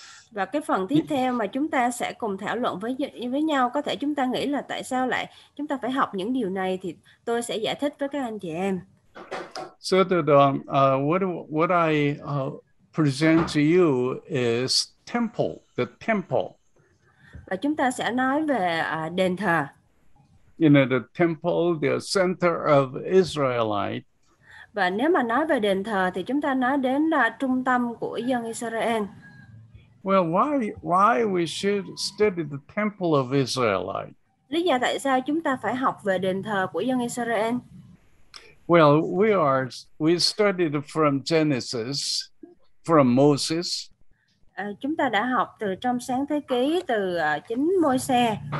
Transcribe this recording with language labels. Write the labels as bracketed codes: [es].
[vi] Và cái phần tiếp theo mà chúng ta sẽ cùng thảo luận với nhau, có thể chúng ta nghĩ là tại sao lại chúng ta phải học những điều này, thì tôi sẽ giải thích với các anh chị em. [en] So that, what I present to you is temple, the temple. [vi] Và chúng ta sẽ nói về đền thờ. [en] You know, the temple, the center of Israelite. [vi] Và nếu mà nói về đền thờ thì chúng ta nói đến trung tâm của dân Israel. [en] Well, why we should study the temple of Israelite? [vi] Lý do tại sao chúng ta phải học về đền thờ của dân Israel? [en] Well, we studied from Genesis, from Moses. [vi] Chúng ta đã học từ trong Sáng Thế Ký, từ chính Môi-se.